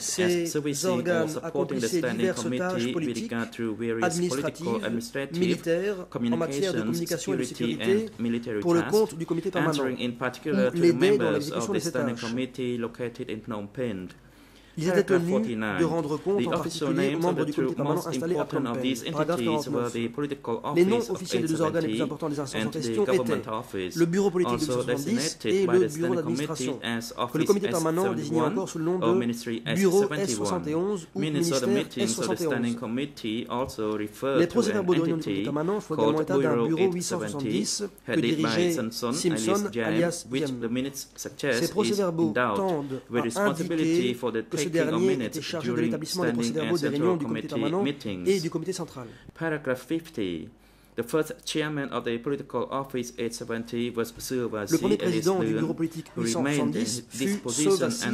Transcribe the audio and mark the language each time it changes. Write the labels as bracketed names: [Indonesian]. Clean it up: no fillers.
[French] ces [English] as servicing or supporting the standing committee with regard to various political, administrative, communications, security and military tasks, answering in particular to members of the standing committee located in Phnom Penh. [French] Ils étaient tenus de rendre compte [English] the [French] en particulier aux membres du comité permanent installé à Phnom Penh. Paragraphe 49. Les noms officiels des deux organes les plus importants des instances en question étaient le bureau politique de 1970 et le bureau d'administration, que le comité permanent désignait encore sous le nom de bureau S71 ou ministère S71. Les procès-verbaux de réunion du comité permanent font également état d'un bureau 870 que dirigeait Simpson alias Jem. Ces procès-verbaux tendent à indiquer que ce dernier était chargé de l'établissement des procès-verbaux des réunions du comité permanent et du comité central. Paragraphe 50. [English] The first chairman of the political office 870 was Sylvester [French] Le premier président du bureau politique 870 fut Sylvester